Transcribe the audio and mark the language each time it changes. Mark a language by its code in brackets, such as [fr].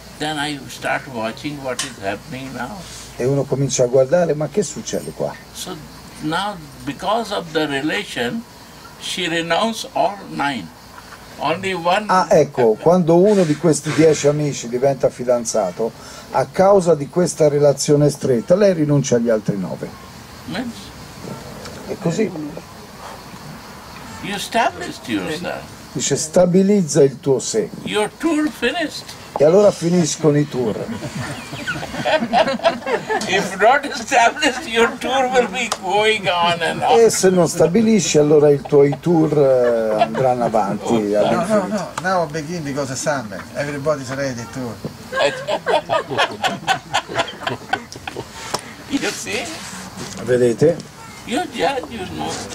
[en] Then I start watching what is happening now. [it] E uno comincia a guardare, ma che succede qua? [en] So now because of the relation she renounces all 9. [it] Ecco, quando uno di questi 10 amici diventa fidanzato, a causa di questa relazione stretta, lei rinuncia agli altri 9. È così. [en] You established yourself. [it] Dice, stabilizza il tuo sé. [en] Your tour finished. [it] E allora finiscono i tour. [en] If not established, your tour will be going on and on. [it] E se non stabilisci, allora i tuoi tour andranno avanti. [en] No, no, no. Now begin because it's summer. Everybody's ready to. You see? [it] Vedete? [en] You judge, you know.